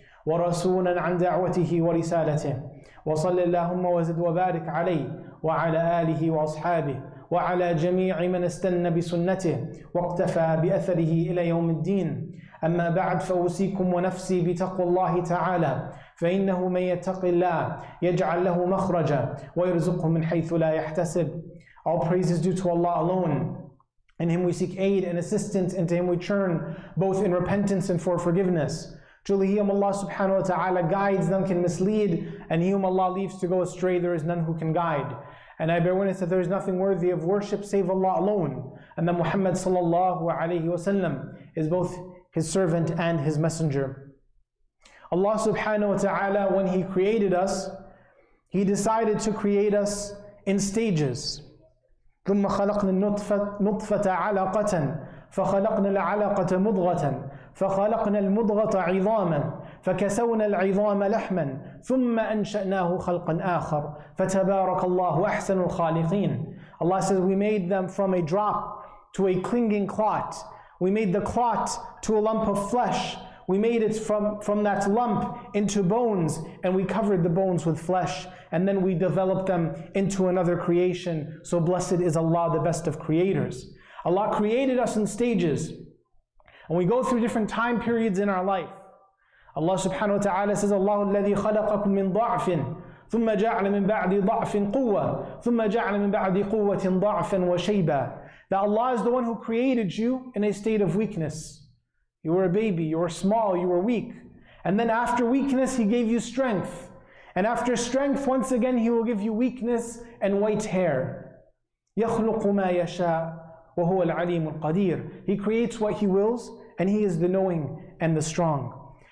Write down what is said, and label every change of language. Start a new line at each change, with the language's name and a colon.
Arabic: ورسولا عن دعوته ورسالته وصل اللهم وزد وبارك عليه وعلى آله وأصحابه وعلى جميع من استنى بسنته واقتفى بأثره إلى يوم الدين أما بعد فأوصيكم ونفسي بتقوى الله تعالى فإنه من يتق الله يجعل له مخرجا ويرزقه من حيث لا يحتسب
English: All praise is due to Allah alone. In Him we seek aid and assistance, and to Him we turn both in repentance and for forgiveness. Truly He whom Allah subhanahu wa ta'ala guides, none can mislead, and He whom Allah leaves to go astray, there is none who can guide. And I bear witness that there is nothing worthy of worship save Allah alone, and that Muhammad sallallahu alayhi wa sallam is both His servant and His messenger. Allah subhanahu wa ta'ala, when He created us, He decided to create us in stages.
Arabic: ثُمَّ خَلَقْنَا النُّطْفَةَ عَلَقَةً فَخَلَقْنَا الْعَلَقَةَ مُضْغَةً فَخَلَقْنَا الْمُضْغَةَ عِظَامًا فَكَسَوْنَا الْعِظَامَ لَحْمًا ثُمَّ أَنْشَأْنَاهُ خَلْقًا آخَرٌ فَتَبَارَكَ اللَّهُ أَحْسَنُ الْخَالِقِينَ
English: Allah says, we made them from a drop to a clinging clot. We made the clot to a lump of flesh. We made it from that lump into bones, and we covered the bones with flesh, and then we developed them into another creation. So blessed is Allah, the best of creators. Allah created us in stages, and we go through different time periods in our life. Allah subhanahu wa ta'ala says, Allah
Arabic: الذي خلقكم من ضعف ثم جعل من بعد ضعف قوة ثم جعل من بعد قوة ضعفا وشيبا.
English: That Allah is the one who created you in a state of weakness. You were a baby, you were small, you were weak. And then after weakness, He gave you strength. And after strength, once again, He will give you weakness and white hair.
Arabic: يَخْلُقُ مَا يَشَاءُ وَهُوَ الْعَلِيمُ الْقَدِيرُ
English: He creates what He wills, and He is the knowing and the strong.